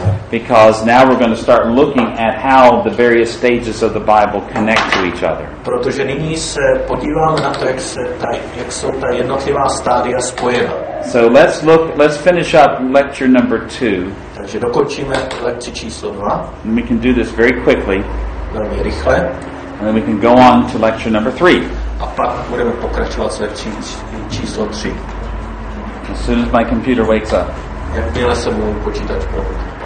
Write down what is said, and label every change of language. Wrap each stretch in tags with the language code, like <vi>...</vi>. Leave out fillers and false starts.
<en>Because now we're going to start looking at how the various stages of the Bible connect to each other.</en> <cs>Protože nyní se podíváme na to, jak jsou ta jednotlivá stádia spojena.</cs> <en>So let's look. Let's finish up lecture number two.</en> <cs>Takže dokončíme lekci číslo dva.</cs> <en>And we can do this very quickly.</en> <cs>Velmi rychle.</cs> <en>And then we can go on to lecture number three.</en> <cs>A pak budeme pokračovat s lekcí číslo tři.</cs> <en>As soon as my computer wakes up.</en> <cs>Jakmile se můj počítač probudí.</cs>